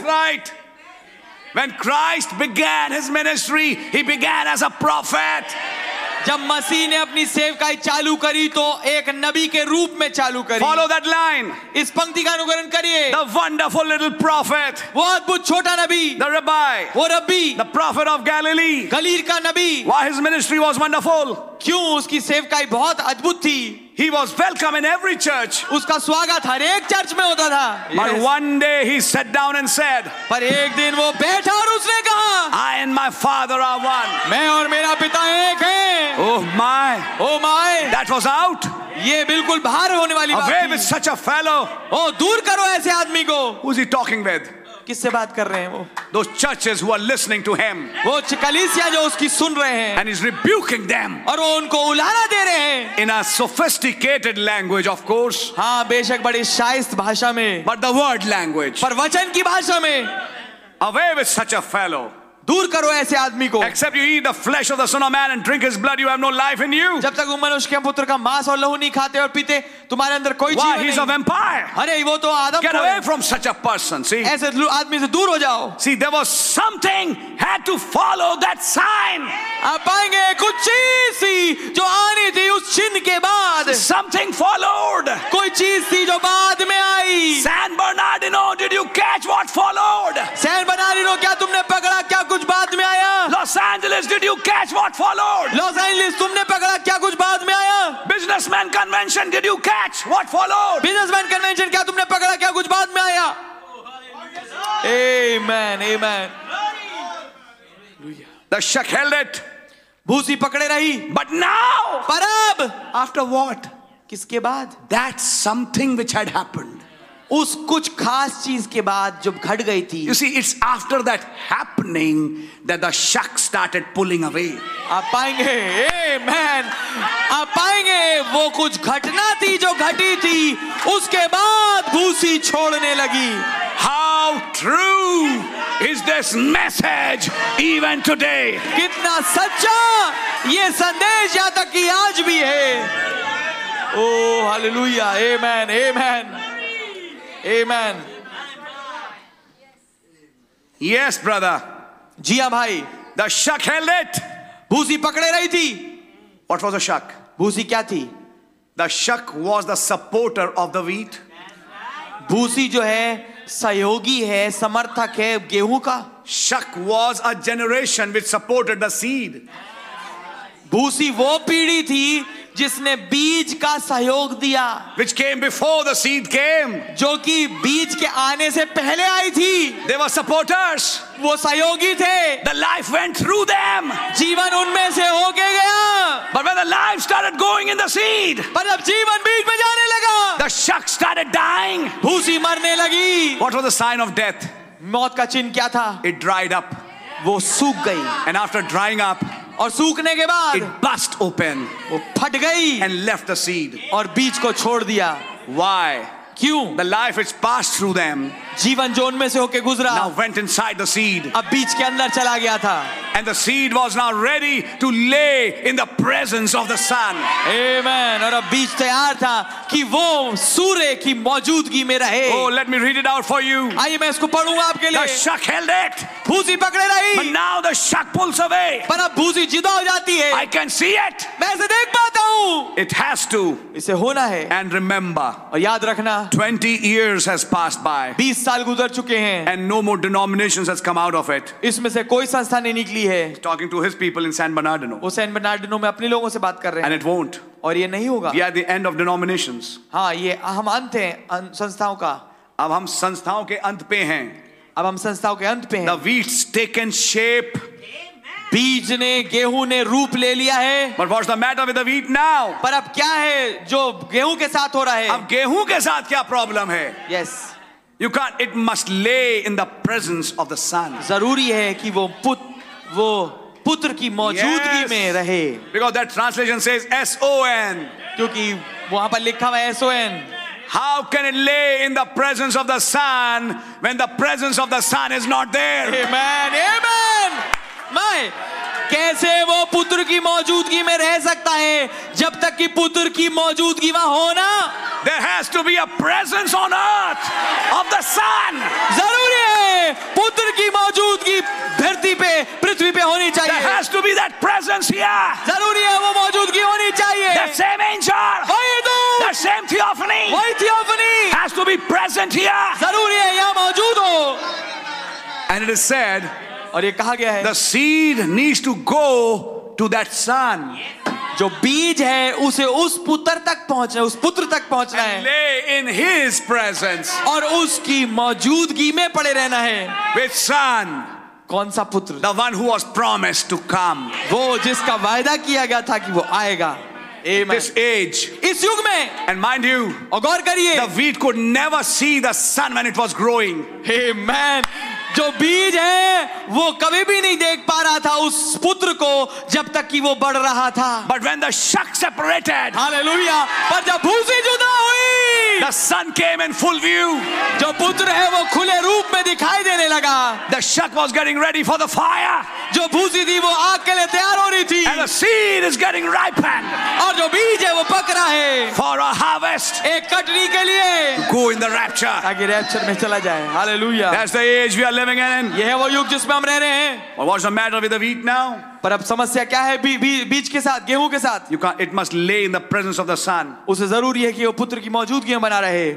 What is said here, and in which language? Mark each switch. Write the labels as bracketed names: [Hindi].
[English] That's right. When Christ began his ministry, he began as a prophet. [Hindi] जब मसीह ने अपनी सेवकाई चालू करी तो एक नबी के रूप में चालू करी. [English] Follow that line. [Hindi] इस पंक्ति का अनुकरण करिए. [English] The wonderful little prophet. [Hindi] वो अद्भुत छोटा नबी. [English] The rabbi. [Hindi] वो रब्बी. [English] The prophet of Galilee. [Hindi] गलील का नबी. [English] Why his ministry was wonderful? [Hindi] क्यों उसकी सेवकाई बहुत अद्भुत थी. [English] He was welcome in every church. [Hindi] उसका स्वागत हर एक चर्च में होता था. [English] But one day he sat down and said. [Hindi] पर एक दिन वो बैठा और उसने कहा. [English] I and my father are one. [Hindi] मैं और मेरा पिता एक हैं. [English] Oh my. That was out. [Hindi] ये बिल्कुल बाहर होने वाली बात थी. [English] Away with such a fellow. [Hindi] ओ दूर करो ऐसे आदमी को. [English] Who's he talking with? [Hindi] किससे बात कर रहे हैं वो? [English] Those churches who are listening to him. [Hindi] वो कलीसिया जो उसकी सुन रहे हैं. [English] And he's rebuking them. [Hindi] और वो उनको उलाहना दे रहे हैं. [English] In a sophisticated language, of course. [Hindi] हाँ, बेशक बड़ी शाइस्त भाषा में. [English] But the word language. [Hindi] पर वचन की भाषा में. [English] Away with such a fellow. [Hindi] दूर करो ऐसे आदमी को. [English] Except you eat the flesh of the Son of Man and drink His blood, you have no life in you. [Hindi] जब तक तुम मनुष्य के पुत्र का मांस और लहू नहीं खाते और पीते, तुम्हारे अंदर कोई जीवन नहीं. [English] Why he's a vampire? [Hindi] अरे वो तो आदम. [English] Get away from such a person. See. [Hindi] ऐसे आदमी से दूर हो जाओ. [English] See, there was something had to follow that sign. [Hindi] आप आएंगे कुछ चीज़ थी जो आनी थी उस चिन्ह के बाद. [English] Something followed. [Hindi] कोई चीज़ थी जो बाद में आई. [English] San Bernardino, did you catch what followed? [Hindi] San Bernardino, क्या तुमने पकड़ा क्या कुछ बाद में आया? [English] Los Angeles, did you catch what followed? [Hindi] Los Angeles, तुमने पकड़ा क्या कुछ बाद में आया? [English] Business businessman convention, did you catch what followed? Businessman convention, [Hindi] kya tumne pakda kya kuch baad mein aaya? Amen, amen. [English] The shuck held it. [Hindi] Bhusi pakde rahi. [English] But now, [Hindi] parab. [English] After what? [Hindi] Kiske baad? [English] That something which had happened. [Hindi] उस कुछ खास चीज के बाद जब घट गई थी. [English] You see, it's after that happening that the shuck started pulling away. [Hindi] आप पाएंगे, amen. आप पाएंगे वो कुछ घटना थी जो घटी थी उसके बाद भूसी छोड़ने लगी. [English] How true is this message even today? [Hindi] कितना सच्चा ये संदेश यहाँ तक कि आज भी है. [English] Oh hallelujah, amen, amen. Amen. Yes, brother. [Hindi] Jiya bhai. [English] The shuck held it. [Hindi] Bhusi pakde rahi thi. [English] What was the shuck? [Hindi] Bhusi kya thi? [English] The shuck was the supporter of the wheat. [Hindi] Bhusi jo hai, sahyogi hai, samarthak hai gehun ka. [English] Shuck was a generation which supported the seed. [Hindi] Bhusi wo peedhi thi जिसने बीज का सहयोग दिया. [English] Which came before the seed came. [Hindi] जो कि बीज के आने से पहले आई थी. [English] They were supporters. [Hindi] वो सहयोगी थे. [English] The life went through them. [Hindi] जीवन उनमें से होके गया. [English] But when the life started going in the seed. [Hindi] पर अब जीवन बीज में जाने लगा. [English] The shuck started dying. [Hindi] भूसी मरने लगी. [English] What was the sign of death? [Hindi] मौत का चिन्ह क्या था? [English] It dried up. [Hindi] वो सूख गई. [English] And after drying up. [Hindi] और सूखने के बाद [English] it burst open, [Hindi] वो फट गई [English] and left the seed, [Hindi] और बीज को छोड़ दिया. [English] Why? [Hindi] क्यों? [English] The life which passed through them, [Hindi] जीवन जो उनमें से होके गुजरा, [English] now went inside the seed, [Hindi] अब बीज के अंदर चला गया था. [English] And the seed was now ready to lay in the presence of the sun. Amen. [Hindi] और अब बीज तैयार था कि वो सूर्य की मौजूदगी में रहे. [English] Oh, let me read it out for you. [Hindi] आइए मैं इसको पढ़ूंगा आपके लिए. [English] The shuck held it. [Hindi] भूसी पकड़े रही. [English] But now the shuck pulls away. [Hindi] पर अब भूसी जिदा हो जाती है. [English] I can see it. [Hindi] मैं इसे देख पाता हूँ. [English] It has to. [Hindi] इसे होना है. [English] And remember. [Hindi] और याद रखना. [English] 20 years has passed by. [Hindi] 20 साल गुजर चुके हैं. [English] And no more denominations has come out of it. [Hindi] इसमें से कोई संस्था नहीं निकली. [English] He's talking to his people in San Bernardino. [Hindi] वो San Bernardino में अपने लोगों से बात कर रहे हैं. [English] And it won't. [Hindi] और ये नहीं होगा. [English] We are the end of denominations. [Hindi] हाँ, ये हम अंत हैं संस्थाओं का. अब हम संस्थाओं के अंत पे हैं. अब हम संस्थाओं के अंत पे हैं. [English] The wheat's taken shape. [Hindi] बीज ने गेहूं ने रूप ले लिया है. [English] But what's the matter with the wheat now? [Hindi] पर अब क्या है जो गेहूं के साथ हो रहा है? अब गेहूं के साथ क्या प्रॉब्लम है? [English] Yes. You can't. It must lay in the presence of the sun. [Hindi] जरूरी है कि वो पुत्र वो पुत्र की मौजूदगी में रहे. [English] Because that translation says S-O-N. [Hindi] क्योंकि वहाँ पर लिखा हुआ S-O-N. [English] How can it lay in the presence of the Son when the presence of the Son is not there? Amen, amen. My, [Hindi] कैसे वो पुत्र की मौजूदगी में रह सकता है जब तक कि पुत्र की मौजूदगी वहाँ होना? [English] There has to be a presence on earth of the Son. [Hindi] जरूरी है पुत्र की मौजूदगी धरती पे पृथ्वी पे होनी चाहिए. [English] There has to be that presence here. [Hindi] जरूरी है वो मौजूदगी होनी चाहिए. [English] The same angel. [Hindi] वही दूत. [English] The same theophany. [Hindi] वही theophany. [English] Has to be present here. [Hindi] जरूरी है यहाँ मौजूद हो. [English] And it is said. [Hindi] और ये कहा गया है. [English] The seed needs to go to that Son. [Hindi] जो बीज है उसे उस पुत्र तक पहुंचना है, उस पुत्र तक पहुंचना है. [English] Lay in his presence. [Hindi] और उसकी मौजूदगी में पड़े रहना है. [English] With Son. [Hindi] कौन सा पुत्र? [English] The one who was promised to come. [Hindi] वो जिसका वायदा किया गया था कि वो आएगा. [English] Amen. This age. [Hindi] इस युग में. [English] And mind you. [Hindi] और गौर करिए. [English] The wheat could never see the sun when it was growing. Amen. [Hindi] जो बीज है वो कभी भी नहीं देख पा रहा था उस पुत्र को जब तक कि वो बढ़ रहा था. [English] But when the shuck separated. [Hindi] Hallelujah. पर जब भूसी जुदा हुई. [English] The sun came in full view. [Hindi] जो पुत्र है वो खुले रूप में दिखाई देने लगा. [English] The shuck was getting ready for the fire. [Hindi] जो भूसी थी वो आग के लिए तैयार हो रही थी. [English] And the seed is getting ripened. [Hindi] और जो बीज है वो पक रहा है. [English] For a harvest. [Hindi] एक कटनी के लिए. [English] Go in the rapture. [Hindi] ताकि रैप्चर में चला जाए. Hallelujah. [English] That's the age we are living in. [Hindi] यह है वो युग जिसमें हम रह रहे हैं. [English] But what's the matter with the wheat now? [Hindi] पर अब समस्या क्या है बीज के साथ गेहूं के साथ? [English] You can't, it must lay in the presence of the Son. [Hindi] उसे जरूरी है कि वो पुत्र की मौजूदगी में बना रहे.